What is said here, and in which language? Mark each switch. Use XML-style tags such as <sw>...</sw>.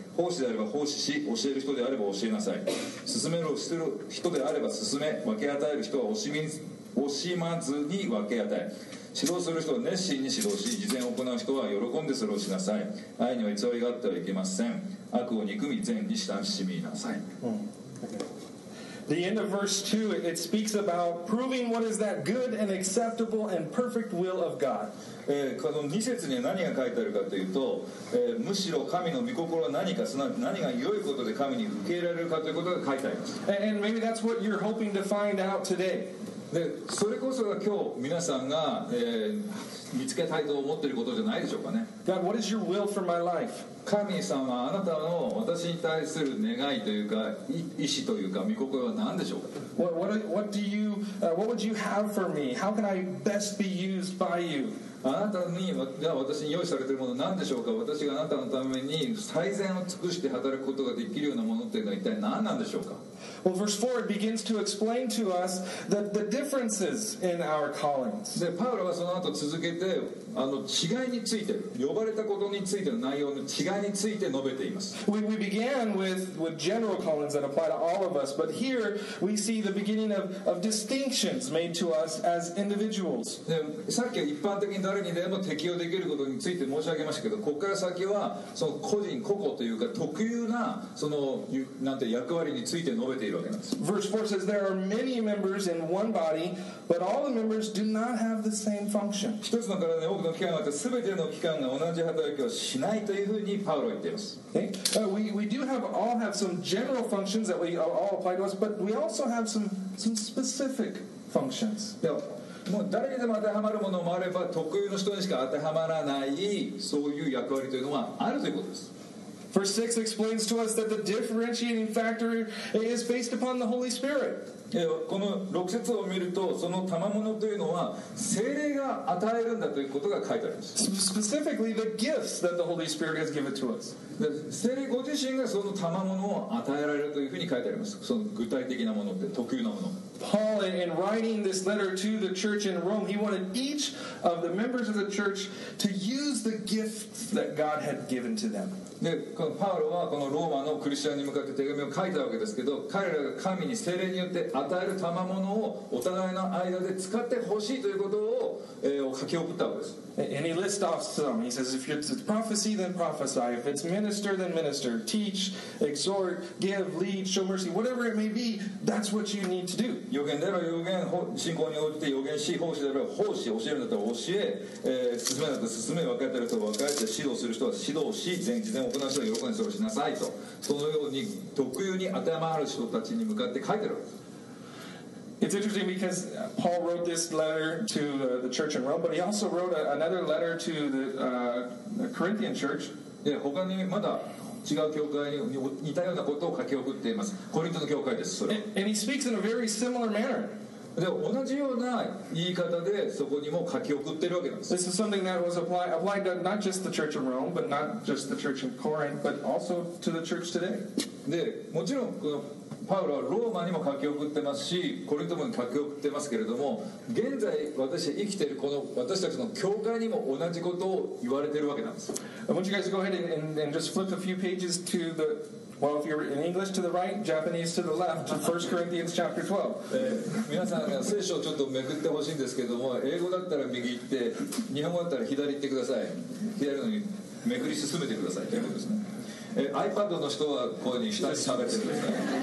<ja>奉仕であれば奉仕し、教える人であれば教えなさい。進める人であれば進め、分け与える人は惜しまずに分け与え、指導する人は熱心に指導し、事前を行う人は喜んでそれをしなさい。愛には偽りがあってはいけません。悪を憎み善に親しみなさい。</ja> <en>The end of verse 2, it speaks about proving what is that good and acceptable and perfect will of God.</en> <ja>この2節には何が書いてあるかというと、むしろ神の御心は何か、すなわち何が良いことで神に受け入れられるかということが書いてあります。</ja> <en>And maybe that's what you're hoping to find out today.</en> <ja>で、それこそが今日皆さんが、見つけたいと思っていることじゃないでしょうかね。</ja> <en>God, what is your will for my life?</en> <ja>神様、あなたの私に対する願いというか、意志というか、御心は何でしょうか。</ja> <en>What would you have for me? How can I best be used by you?</en> <ja>あなたに、私に用意されているものは何でしょうか。私があなたのために最善を尽くして働くことができるようなものというのは一体何なんでしょうか。</ja> <en>Well, verse 4 begins to explain to us the differences in our callings.</en> <ja>で、パウロはその後続けて、違いについて、呼ばれたことについての内容の違いについて述べています。</ja> <en>We began with general callings that apply to all of us, but here we see the beginning of distinctions made to us as individuals.</en> <ja>で、さっきは一般的に誰にでも適用できることについて申し上げましたけど、ここから先はその個人、個々というか特有なその、なんて役割について述べているわけなんです。</ja> <en>Verse 4 says, there are many members in one body, but all the members do not have the same function.</en> <ja>一つの体に多くの機関があって、すべての機関が同じ働きをしないというふうにパウロは言っています。</ja> <en>Okay. We do all have some general functions that we all apply to us, but we also have some specific functions.</en> <ja>では、もう誰にでも当てはまるものもあれば、特有の人にしか当てはまらない、そういう役割というのはあるということです。</ja> <en>Verse 6 explains to us that the differentiating factor is based upon the Holy Spirit.</en> <ja>この6節を見ると、その賜物というのは聖霊が与えるんだということが書いてあります。</ja> <en>Specifically, the gifts that the Holy Spirit has given to us.</en> <ja>聖霊ご自身がその賜物を与えられるというふうに書いてあります。その具体的なものって、特有なもの。</ja> <en>Paul, in writing this letter to the church in Rome, he wanted each of the members of the church to use the gifts that God had given to them.</en> <ja>で、このパウロはこのローマのクリスチャンに向かって手紙を書いたわけですけど、彼らが神に聖霊によって与える賜物をお互いの間で使ってほしいということを、書き送ったわけです。</ja> <en>And he lists off some. He says, if it's prophecy, then prophesy. If it's minister, then minister. Teach, exhort, give, lead, show mercy. Whatever it may be, that's what you need to do.</en> <ja>預言であれば預言、信仰に応じて預言し、奉仕であれば奉仕、教えるんだったら教え、進めるんだったら進め、分かれてる人は分かれて、指導する人は指導し、全然行う人は喜んでそれをしなさいと、そのように特有に当てはまる人たちに向かって書いてるわけです。</ja> <en>It's interesting because Paul wrote this letter to the church in Rome, but he also wrote another letter to the Corinthian church.</en> <ja>Yeah, 他にまだ違う教会に似たようなことを書き送っています。コリントの教会です。それ。</ja> <en>And he speaks in a very similar manner.</en> <ja>で、同じような言い方でそこにも書き送っているわけなんです。</ja> <en>This is something that was applied to not just the church in Rome, but not just the church in Corinth, but also to the church today.</en> <ja>で、もちろんこのパウロはローマにも書き送ってますし、コリントも書き送ってますけれども、現在私生きているこの私たちの教会にも同じことを言われているわけなんです。</ja> <en>I want you guys to go ahead and just flip a few pages to the, well, if you're in English to the right, Japanese to the left, to 1 Corinthians chapter 12.</en> <ja>皆さん、ね、聖書をちょっとめくってほしいんですけれども、英語だったら右行って、日本語だったら左行ってください。左のにめくり進めてくださいということですね。iPad の人はこういうふうに下に喋ってるんですね。</ja>